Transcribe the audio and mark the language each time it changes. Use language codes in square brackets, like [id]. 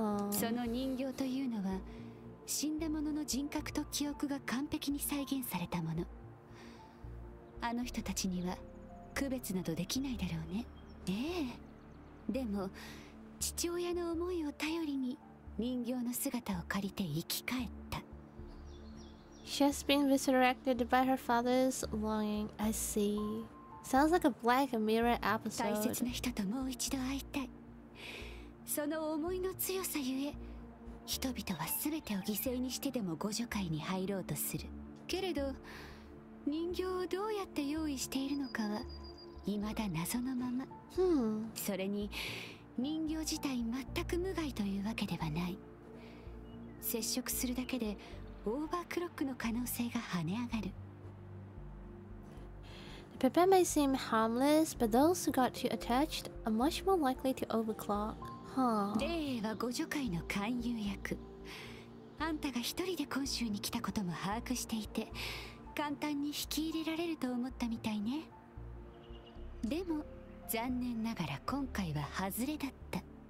[ja] その人形というのは死んだ者の人格と記憶が完璧に再現されたもの。あの人たちには区別などできないだろうね。ええ。でも父親の思いを頼りに人形の姿を借りて生き返った。 [en] She has been resurrected by her father's longing. I see. Sounds like a Black Mirror episode. [ja] 大切な人ともう一度会いたい。その思いの強さゆえ、人々は全てを犠牲にしてでも互助会に入ろうとする。けれど、人形をどうやって用意しているのかは未だ謎のまま。それに人形自体全く無害というわけではない。接触するだけでオーバークロックの可能性が跳ね上がる。 [en] The Pepe may seem harmless, but those who got too attached are much more likely to overclock. [ja] レイエイは互助会の勧誘役。あんたが一人で今週に来たことも把握していて、簡単に引き入れられると思ったみたいね。でも残念ながら今回はハズレだった。